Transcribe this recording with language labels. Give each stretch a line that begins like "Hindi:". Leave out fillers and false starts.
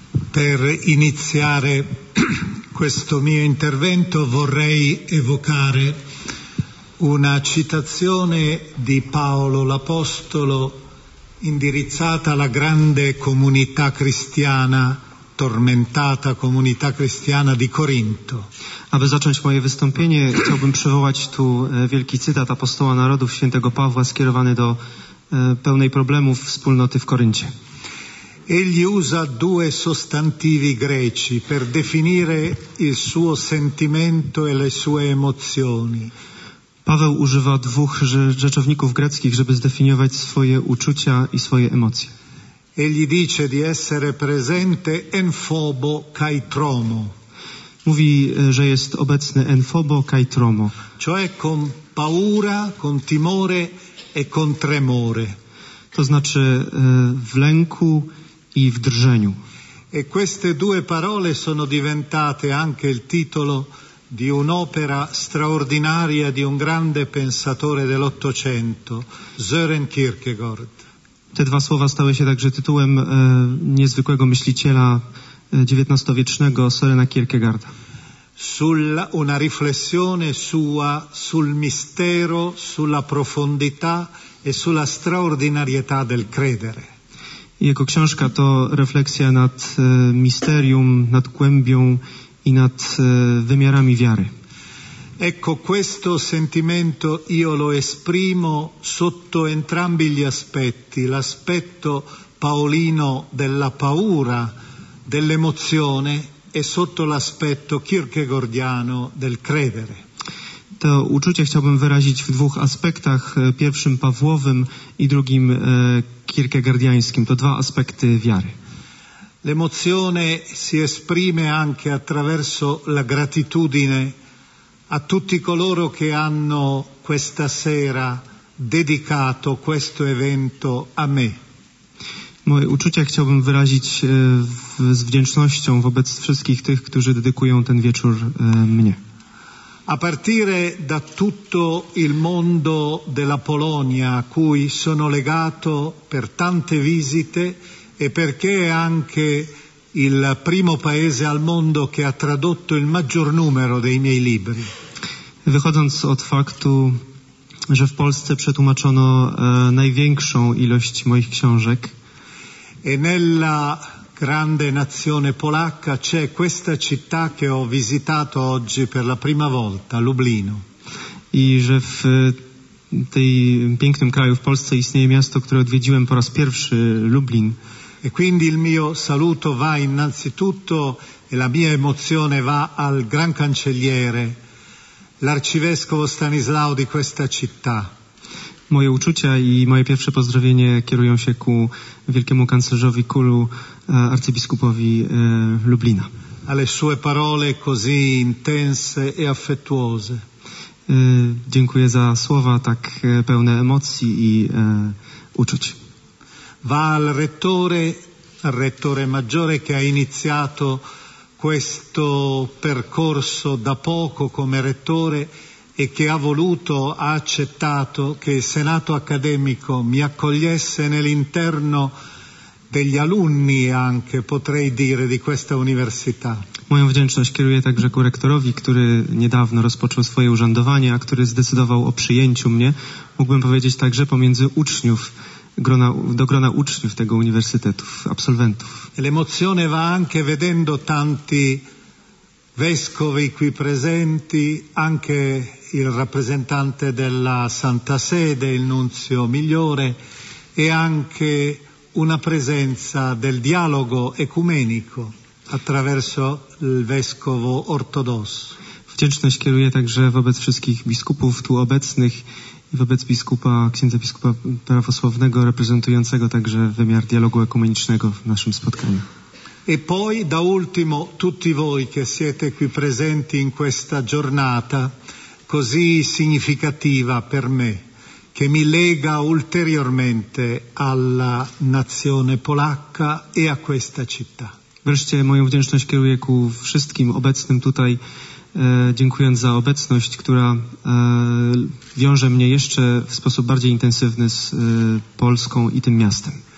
Italian: Per iniziare questo mio intervento vorrei evocare una citazione di Paolo l'Apostolo indirizzata alla grande comunità cristiana, tormentata comunità cristiana di Corinto.
Polish: Aby zacząć moje wystąpienie, chciałbym przywołać tu wielki cytat apostoła narodów świętego Pawła skierowany do pełnej problemów wspólnoty w Koryncie.
Italian: Egli usa due sostantivi greci per definire il suo sentimento e le sue emozioni.
Polish: Paweł używa dwóch rzeczowników greckich, żeby zdefiniować swoje uczucia i swoje emocje.
Italian: Egli dice di essere presente
Greek: en phobo kai tromo.
Polish: Mówi, że jest obecny
Greek: en phobo kai tromo.
Italian: Cioè con paura, con timore e con tremore.
Polish: To znaczy w lęku i w drżeniu.
Italian: E queste due parole sono diventate anche il titolo di un'opera straordinaria di un grande pensatore dell'Ottocento, Søren Kierkegaard.
Polish: Te dwa słowa stały się także tytułem niezwykłego myśliciela XIX-wiecznego Sørena Kierkegaarda.
Italian: Sulla una riflessione sua sul mistero, sulla profondità e sulla straordinarietà del credere.
Polish: Jego książka to refleksja nad misterium, nad głębią i nad wymiarami wiary.
Italian: Ecco, questo sentimento io lo esprimo sotto entrambi gli aspetti, l'aspetto paolino della paura, dell'emozione e sotto l'aspetto kierkegaardiano del credere.
Polish: To uczucie chciałbym wyrazić w dwóch aspektach, pierwszym pawłowym i drugim kierkegaardiańskim. To dwa aspekty wiary.
Italian: L'emozione si esprime anche attraverso la gratitudine a tutti coloro che hanno questa sera dedicato questo evento a me.
Polish: Moje uczucie chciałbym wyrazić z wdzięcznością wobec wszystkich tych, którzy dedykują ten wieczór mnie.
Italian: A partire da tutto il mondo della Polonia, a cui sono legato per tante visite e perché è anche il primo paese al mondo che ha tradotto il maggior numero dei miei libri.
Polish: Wychodząc od faktu, że w Polsce przetłumaczono największą ilość moich książek.
Italian: E nella grande nazione polacca c'è questa città che ho visitato oggi per la prima volta, Lublino.
Polish: I że w tej pięknym kraju, w Polsce, istnieje miasto, które odwiedziłem po raz pierwszy, Lublin.
Italian: E quindi il mio saluto va innanzitutto e la mia emozione va al Gran Cancelliere, l'Arcivescovo Stanislao di questa città.
Polish: Moje uczucia i moje pierwsze pozdrowienie kierują się ku wielkiemu kanclerzowi Kulu, arcybiskupowi Lublina.
Italian: Alle sue parole così intense e affettuose.
Polish: Dziękuję za słowa tak pełne emocji i uczuć.
Italian: Va al rettore rettore maggiore che ha iniziato questo percorso da poco come rettore e che ha voluto, ha accettato che il Senato accademico mi accogliesse nell'interno degli alunni, anche potrei dire, di questa università.
Polish: Moją wdzięczność kieruję także ku rektorowi, który niedawno rozpoczął swoje urzędowanie, a który zdecydował o przyjęciu mnie, mógłbym powiedzieć także pomiędzy uczniów, do grona uczniów tego uniwersytetu, absolwentów.
Italian: L'emozione va anche vedendo tanti vescovi qui presenti, anche il rappresentante della Santa Sede, il nunzio migliore, e anche una presenza del dialogo ecumenico attraverso il vescovo ortodosso.
Polish: Wdzięczność kieruję także wobec wszystkich biskupów tu obecnych i wobec biskupa, księdza biskupa prawosławnego, reprezentującego także wymiar dialogu ekumenicznego w naszym spotkaniu.
Italian: E poi, da ultimo, tutti voi che siete qui presenti in questa giornata così significativa per me, che mi lega ulteriormente alla nazione polacca e a questa città.
Polish: Wreszcie moją wdzięczność kieruję ku wszystkim obecnym tutaj, dziękując za obecność, która wiąże mnie jeszcze w sposób bardziej intensywny z Polską i tym miastem.